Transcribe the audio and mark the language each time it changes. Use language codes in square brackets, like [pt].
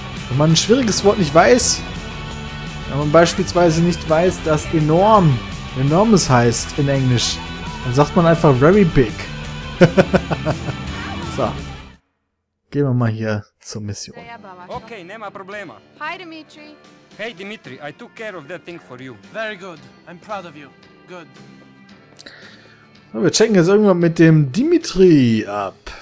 [de] Wenn man ein schwieriges Wort nicht weiß, wenn man beispielsweise nicht weiß, dass enorm, enormes heißt in Englisch, dann sagt man einfach [en] very big. [de] So. Gehen wir mal hier zur Mission. Okay, nimm ein Problem. [en] Hi, Dimitri. Hey, Dimitri, I took care of that thing for you. Very good. I'm proud of you. Good. [de] So, wir checken jetzt irgendwann mit dem Dimitri ab.